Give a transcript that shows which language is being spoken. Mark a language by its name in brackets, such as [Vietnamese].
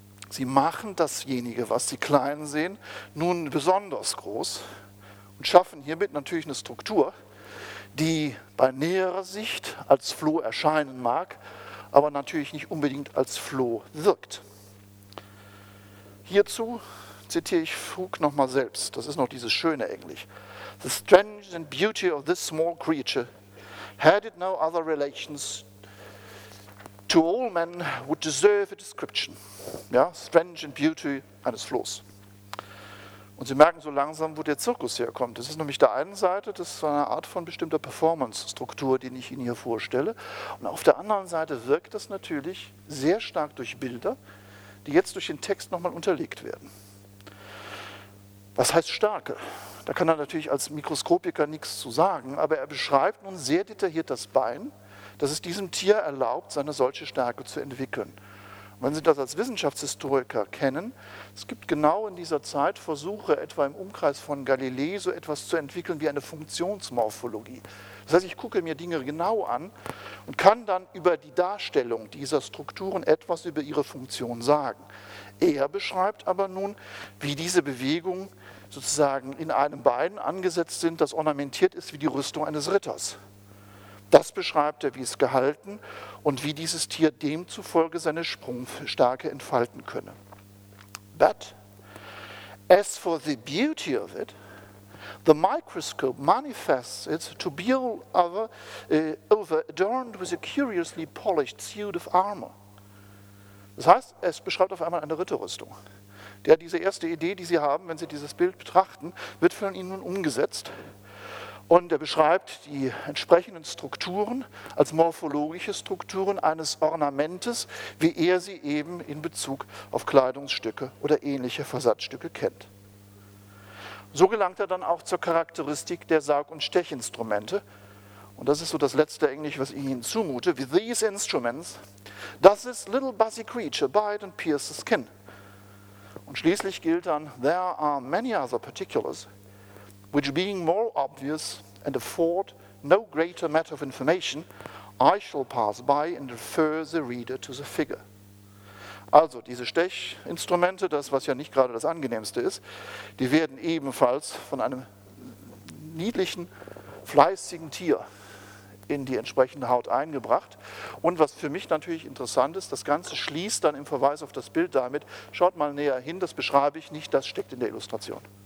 [German] Sie machen dasjenige, was Sie klein sehen, nun besonders groß und schaffen hiermit natürlich eine Struktur, die bei näherer Sicht als Floh erscheinen mag, aber natürlich nicht unbedingt als Floh wirkt. Hierzu zitiere ich Hook nochmal selbst, das ist noch dieses schöne Englisch. [English] "The strength and beauty of this small creature, had it no other relations to all men, would deserve a description." [German] Ja, [English] strength and beauty [German] eines Flohs. Und Sie merken so langsam, wo der Zirkus herkommt. Das ist nämlich der einen Seite, das ist eine Art von bestimmter Performance-Struktur, die ich Ihnen hier vorstelle. Und auf der anderen Seite wirkt das natürlich sehr stark durch Bilder, die jetzt durch den Text nochmal unterlegt werden. Was heißt starke? Da kann er natürlich als Mikroskopiker nichts zu sagen, aber er beschreibt nun sehr detailliert das Bein, das es diesem Tier erlaubt, seine solche Stärke zu entwickeln. Wenn Sie das als Wissenschaftshistoriker kennen, es gibt genau in dieser Zeit Versuche, etwa im Umkreis von Galilei so etwas zu entwickeln wie eine Funktionsmorphologie. Das heißt, ich gucke mir Dinge genau an und kann dann über die Darstellung dieser Strukturen etwas über ihre Funktion sagen. Er beschreibt aber nun, wie diese Bewegungen sozusagen in einem Bein angesetzt sind, das ornamentiert ist wie die Rüstung eines Ritters. Das beschreibt er, wie es gehalten und wie dieses Tier demzufolge seine Sprungstärke entfalten könne. [English] "But as for the beauty of it, the microscope manifests it to be all over, adorned with a curiously polished suit of armor." [German] Das heißt, es beschreibt auf einmal eine Ritterrüstung. Der, diese erste Idee, die Sie haben, wenn Sie dieses Bild betrachten, wird von Ihnen nun umgesetzt. Und er beschreibt die entsprechenden Strukturen als morphologische Strukturen eines Ornamentes, wie er sie eben in Bezug auf Kleidungsstücke oder ähnliche Versatzstücke kennt. So gelangt er dann auch zur Charakteristik der Saug- und Stechinstrumente. Und das ist so das letzte Englisch, was ich Ihnen zumute. [English] "With these instruments does this little buzzy creature bite and pierce the skin." [German] Und schließlich gilt dann, [English] "there are many other particulars which being more obvious and afford no greater matter of information, I shall pass by and refer the reader to the figure." [German] Also diese Stechinstrumente, das was ja nicht gerade das Angenehmste ist, die werden ebenfalls von einem niedlichen, fleißigen Tier in die entsprechende Haut eingebracht. Und was für mich natürlich interessant ist, das Ganze schließt dann im Verweis auf das Bild damit, schaut mal näher hin, das beschreibe ich nicht, das steckt in der Illustration.